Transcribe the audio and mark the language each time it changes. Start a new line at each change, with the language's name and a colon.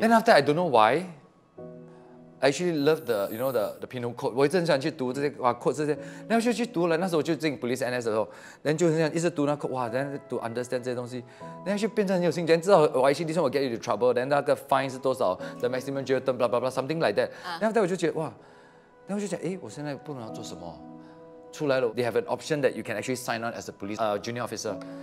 English: Then after I don't know why, I actually love the you know the penal code.
Chinese: 我一直很想去读这些哇 code 这些，然后就去读了。那时候我就进 police NS 的时候，然后就很想一直读那 code 哇，然后读 understand 这些东西，然后就变成很有兴趣。至少我
English: actually 我 get into trouble，
Chinese: 然后那个
English: fine
Chinese: 是多少
English: ，the maximum jail term blah blah blah something like that。
Chinese: 然后我就觉得哇，然后我就想哎，我现在不能要做什么？出来了
English: ，they have an option that you can actually sign on as a police junior officer。